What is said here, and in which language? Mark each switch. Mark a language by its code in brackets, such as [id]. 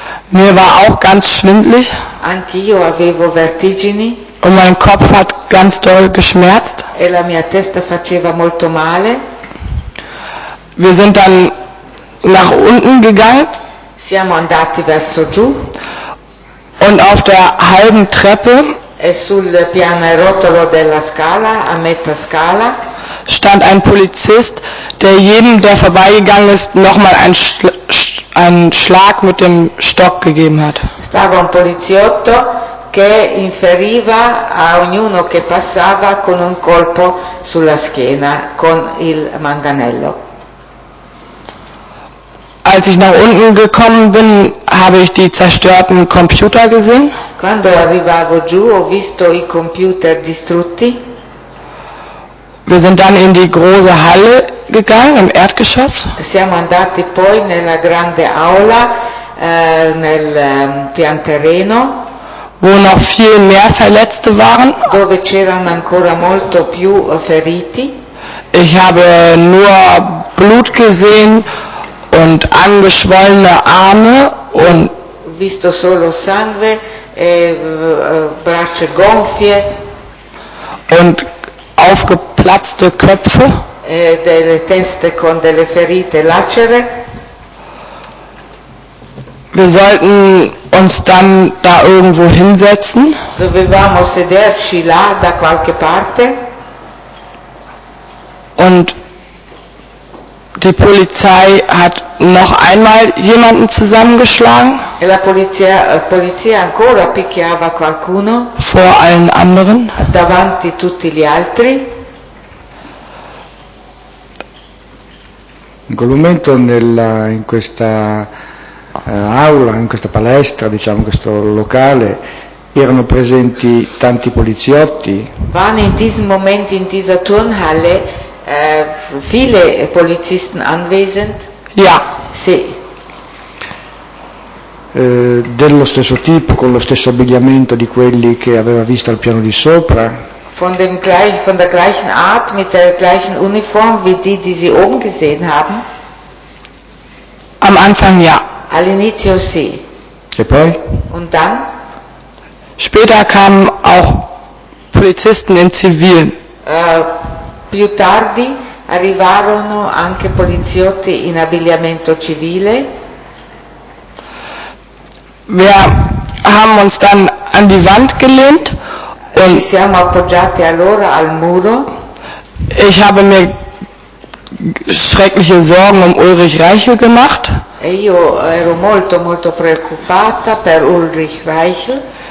[de] Mir war auch ganz schwindelig. [it] Anch'io avevo vertigini. [de] Und mein Kopf hat ganz doll geschmerzt. [it] E la mia testa faceva molto male. [de] Wir sind dann nach unten gegangen. [it] Siamo andati verso giù. [de] Und auf der halben Treppe. [it] E sul pianerottolo della scala, a metà scala, [de] stand ein Polizist, der jedem, der vorbeigegangen ist, nochmal einen Schlag mit dem Stock gegeben hat. [it] Stava un poliziotto che che inferiva a ognuno che passava con un colpo sulla schiena con il manganello. [de] Als ich nach unten gekommen bin, habe ich die zerstörten Computer gesehen. [it] Quando arrivavo giù ho visto i computer distrutti. [de] Wir sind dann in die große Halle gegangen, im Erdgeschoss. [it] Siamo andati poi nella grande aula, nel pian terreno, [de] wo noch viel mehr Verletzte waren. [it] Dove c'erano ancora molto più feriti. [de] Ich habe nur Blut gesehen und angeschwollene Arme und [it] visto solo sangue e braccia gonfie [de] und aufgeplatzte Köpfe [it] e delle teste con delle ferite lacere. [de] Wir sollten uns dann da irgendwo hinsetzen. [it] Dovevamo sederci là da qualche parte. [de] Und die Polizei hat noch einmal jemanden zusammengeschlagen. [it] E la polizia ancora picchiava qualcuno. [de] Vor allen anderen. [it] Davanti tutti gli altri. In quel momento in questa aula, in questa palestra, diciamo, questo locale, erano presenti tanti poliziotti. [de] Waren in diesem Moment in dieser Turnhalle viele Polizisten anwesend? Ja. [it] Sì. Dello stesso tipo, con lo stesso abbigliamento di quelli che aveva visto al piano di sopra? [de] Von der gleichen Art, mit der gleichen Uniform wie die, die sie oben gesehen haben? Am Anfang ja. [it] All'inizio sì. E poi? [de] Und dann? Später kamen auch Polizisten in Zivil. [it] Più tardi arrivarono anche poliziotti in abbigliamento civile. [de] Wir haben uns dann an die Wand gelehnt. [it] Ci siamo appoggiati allora al muro. [de] Ich habe mir schreckliche Sorgen um Ulrich Reichel gemacht. [it] E io ero molto molto preoccupata per Ulrich Reichel.